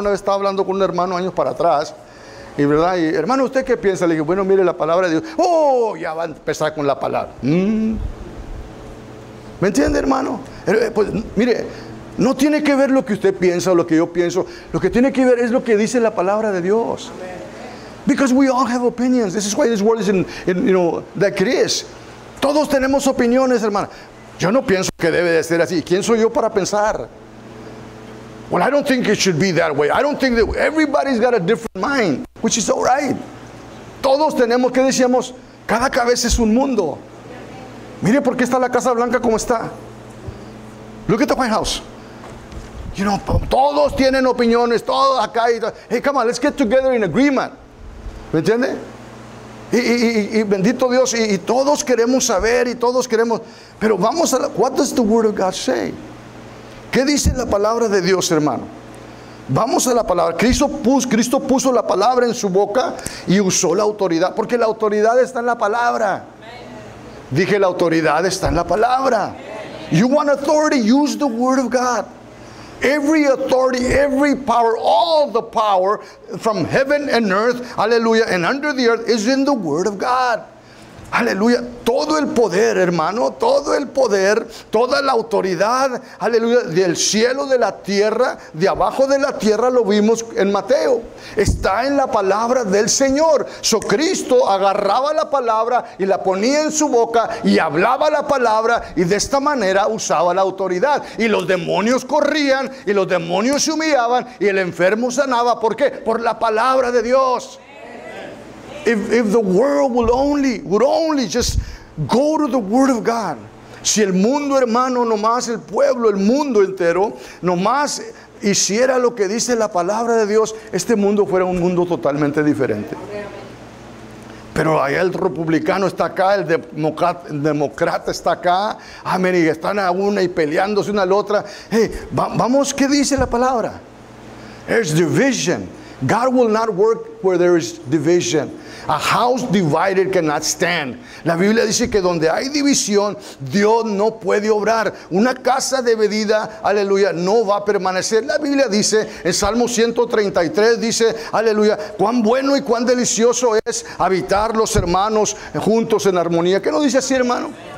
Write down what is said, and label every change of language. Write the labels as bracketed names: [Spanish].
[Spanish] Una vez estaba hablando con un hermano años para atrás, y verdad, y hermano, ¿usted qué piensa? Le dije, bueno, mire, la palabra de Dios. Oh, ya va a empezar con la palabra. ¿Me entiende, hermano? Pues mire, no tiene que ver lo que usted piensa o lo que yo pienso. Lo que tiene que ver es lo que dice la palabra de Dios. Amen. [English] Because we all have opinions. This is why this world is that crisis. [Spanish] Todos tenemos opiniones, hermano. Yo no pienso que debe de ser así. ¿Quién soy yo para pensar? [English] Well, I don't think it should be that way. I don't think that everybody's got a different mind, which is all right. [Spanish] Todos tenemos, ¿qué decíamos? Cada cabeza es un mundo. Mire por qué está la Casa Blanca como está. [English] Look at the White House. You know, [Spanish] todos tienen opiniones, todos acá. Y [English] hey, come on, let's get together in agreement. [Spanish] ¿Me entiende? Y bendito Dios, y todos queremos saber, y todos queremos, pero vamos a la, [English] what does the word of God say? [Spanish] ¿Qué dice la palabra de Dios, hermano? Vamos a la palabra. Cristo puso la palabra en su boca y usó la autoridad, porque la autoridad está en la palabra. Dije, la autoridad está en la palabra. [English] You want authority, use the word of God. Every authority, every power, all the power from heaven and earth, hallelujah, and under the earth is in the word of God. [Spanish] Aleluya, todo el poder, hermano, todo el poder, toda la autoridad, aleluya, del cielo, de la tierra, de abajo de la tierra, lo vimos en Mateo. Está en la palabra del Señor. [English] So [Spanish] Cristo agarraba la palabra y la ponía en su boca y hablaba la palabra, y de esta manera usaba la autoridad. Y los demonios corrían y los demonios se humillaban y el enfermo sanaba. ¿Por qué? Por la palabra de Dios. [English] If the world would only just go to the word of God. [Spanish] Si el mundo, hermano, nomás el pueblo, el mundo entero, nomás hiciera lo que dice la palabra de Dios, este mundo fuera un mundo totalmente diferente. Pero ahí el republicano está acá, el demócrata está acá. Amén. Y están a una y peleándose una a la otra. Hey, vamos, ¿qué dice la palabra? [English] There's division. God will not work where there is division. A house divided cannot stand. [Spanish] La Biblia dice que donde hay división, Dios no puede obrar. Una casa dividida, aleluya, no va a permanecer. La Biblia dice, en Salmo 133, dice, aleluya, cuán bueno y cuán delicioso es habitar los hermanos juntos en armonía. ¿Qué no dice así, hermano?